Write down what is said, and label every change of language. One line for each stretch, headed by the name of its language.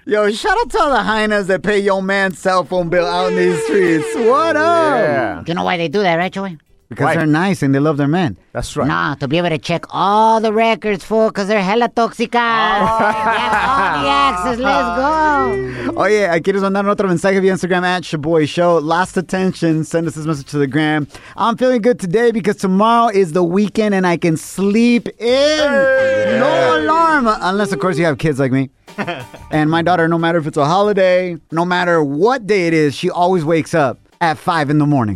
English: Yo, shout out to all the hyenas that pay your man's cell phone bill out in these streets. What up? Yeah. Do you know why they do that, right, Joey? Because they're nice and they love their men. That's right. Nah, to be able to check all the records, fool, because they're hella tóxica. They have all the access. Let's go.
Spanish: Oye, aquí nos mandaron otro mensaje via Instagram at Shaboy Show.
English: Last attention. Send us this message to the gram. I'm feeling good today because tomorrow is the weekend and I can sleep in. Hey. No alarm. Unless, of course, you have kids like me. And my daughter, no matter if it's a holiday, no matter what day it is, she always wakes up at 5 a.m.